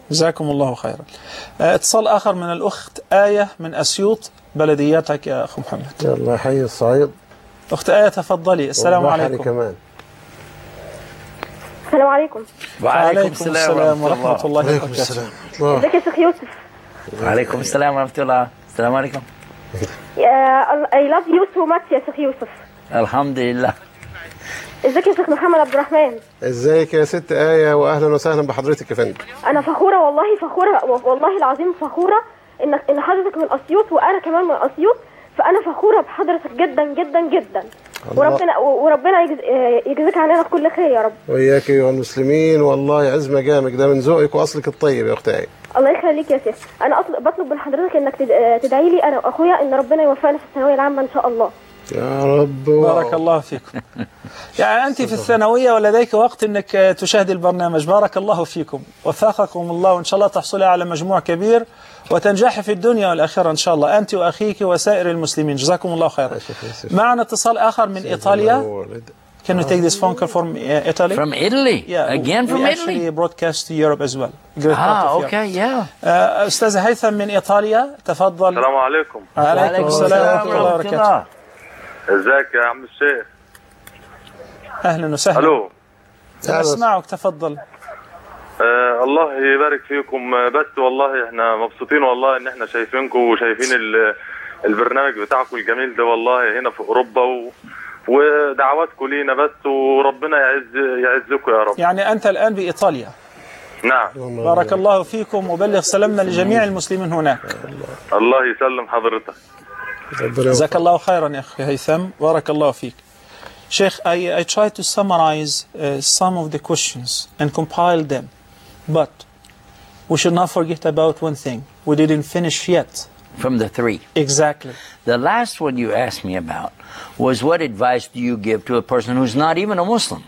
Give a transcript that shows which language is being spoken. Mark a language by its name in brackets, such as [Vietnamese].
[Arabic] جزاكم الله خيرا. اتصال اخر من الاخت ايه من اسيوط بلدياتك يا اخ محمد. يلا حي الصعيد. اخت ايه تفضلي. السلام عليكم. كمان. السلام عليكم. وعليكم السلام ورحمة الله وبركاته. ازيك يا شيخ يوسف؟ وعليكم السلام ورحمة الله. السلام عليكم. [English] I love you so much [Arabic] يا شيخ يوسف. الحمد لله. ازيك يا شيخ محمد عبد الرحمن؟ ازيك يا ست آية، واهلا وسهلا بحضرتك يا فندم. انا فخورة والله، فخورة والله العظيم، فخورة ان حضرتك من اسيوط وانا كمان من اسيوط، فانا فخورة بحضرتك جدا جدا جدا. الله. وربنا يجزيك علينا كل خير يا رب. وياك ايها المسلمين، والله عزمة جامك ده من ذوقك واصلك الطيب يا اختي. الله يخليك يا شيخ. انا بطلب من حضرتك انك تدعي لي انا واخويا ان ربنا يوفقنا في الثانوية العامة ان شاء الله يا رب. بارك الله فيكم. يعني انت في الثانوية ولديك وقت انك تشاهدي البرنامج، بارك الله فيكم، وفقكم الله، وان شاء الله تحصلي على مجموع كبير وتنجحي في الدنيا والاخره ان شاء الله، انت واخيك وسائر المسلمين، جزاكم الله خيرا. معنا اتصال اخر من ايطاليا. [English] Can we take this phone call from Italy? From Italy? Yeah. Again from we Italy? We actually broadcast to Europe as well. Great part of okay, Europe. Yeah. [Arabic] أستاذ هيثم من إيطاليا، تفضل. السلام عليكم. عليكم السلام ورحمة الله وبركاته. إزيك يا عم الشيخ؟ أهلاً وسهلاً. ألو. أسمعك، تفضل. الله يبارك فيكم، بس والله إحنا مبسوطين والله إن إحنا شايفينكم وشايفين البرنامج بتاعكم الجميل ده والله هنا في أوروبا ودعواتكم لينا بس، وربنا يعزكم يا رب. يعني أنت الآن بإيطاليا؟ نعم. بارك الله فيكم وبلغ سلامنا لجميع المسلمين هناك. الله يسلم حضرتك. جزاك الله خيرا يا أخي هيثم، بارك الله فيك. [English] شيخ، I tried to summarize some of the questions and compile them, but we should not forget about one thing we didn't finish yet. From the three. Exactly. The last one you asked me about was what advice do you give to a person who's not even a Muslim?